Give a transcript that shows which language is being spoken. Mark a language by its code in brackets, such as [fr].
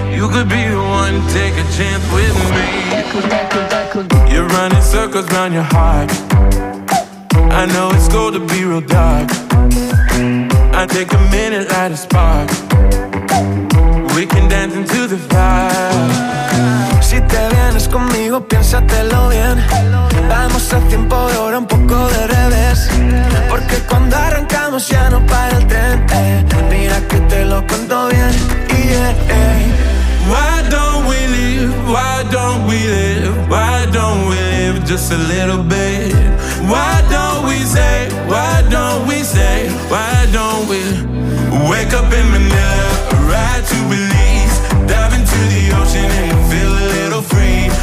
[en] You could be the one, take a chance with me. You're running circles around your heart. I know it's cold to be real dark. I take a minute, light a spark. We can dance into the fire. [es] Si te vienes conmigo, piénsatelo bien. Vamos a tiempo de hora, un poco de revés. Porque cuando arrancamos ya no para el tren. Mira que te lo cuento bien. [en] Yeah, yeah. Why don't we live? Why don't we live? Why don't we live just a little bit? Why don't we say? Why don't we say? Why don't we wake up in Manila, ride to Belize, dive into the ocean and feel a little free.